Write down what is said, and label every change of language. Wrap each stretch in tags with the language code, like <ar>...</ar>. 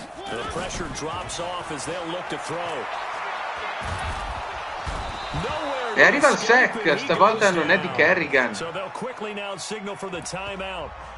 <en>The pressure drops off as they'll look to throw.</en> <it>E arriva il sack, stavolta non è di Kerrigan.</it> <en>So they'll quickly now signal for the timeout.</en>